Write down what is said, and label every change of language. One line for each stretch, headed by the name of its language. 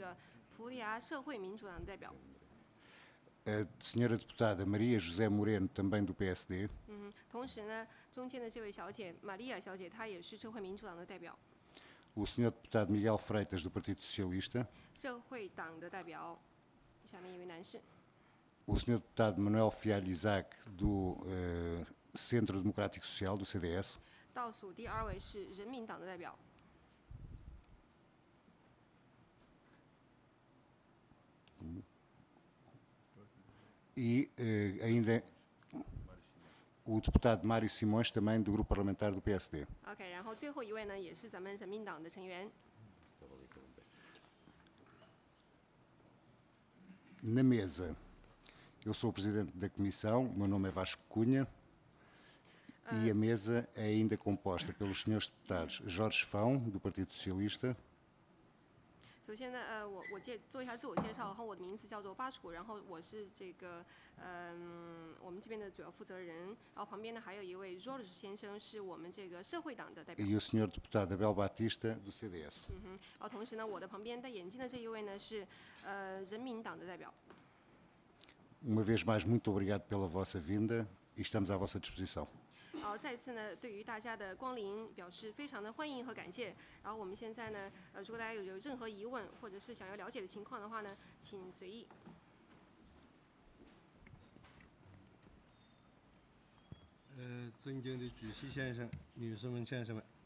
Chinese: 我们第二位就是年轻的代表呢，是作为这个葡萄牙社会民主党的代表。
Portuguese: A senhora deputada Maria José Moreno, também do PSD.
Chinese: 同时呢，中间的这位小姐玛利亚小姐，她也是社会民主党的代表。
Portuguese: O senhor deputado Miguel Freitas, do Partido Socialista.
Chinese: 社会党的代表, 下面一位男士。
Portuguese: O senhor deputado Manuel Fialho Isaac, do Centro Democrático Social, do CDS.
Chinese: 倒数第二位是人民党的代表。
Portuguese: E ainda o deputado Mário Simões, também do Grupo Parlamentar do PSD. Ok, então,
Chinese: 最后一位呢，也是咱们人民党的成员。
Portuguese: Na mesa, eu sou o presidente da comissão, meu nome é Vasco Cunha, e a mesa é ainda composta pelos senhores deputados Jorge Fão, do Partido Socialista.
Chinese: 首先呢，我做一下自我介绍，然后我的名字叫做巴楚，然后我是这个我们这边的主要负责人，然后旁边呢还有一位 George 先生，是我们这个社会党的代表。
Portuguese: E o senhor deputado Abel Batista, do CDS.
Chinese: 然后同时呢，我的旁边戴眼镜的这一位呢是人民党的代表。
Portuguese: Uma vez mais, muito obrigado pela vossa vinda e estamos à vossa disposição.
Chinese: 然后再次呢，对于大家的光临表示非常的欢迎和感谢。然后我们现在呢，如果大家有任何疑问或者是想要了解的情况的话呢，请随意。尊敬的主席先生、女士们、先生们。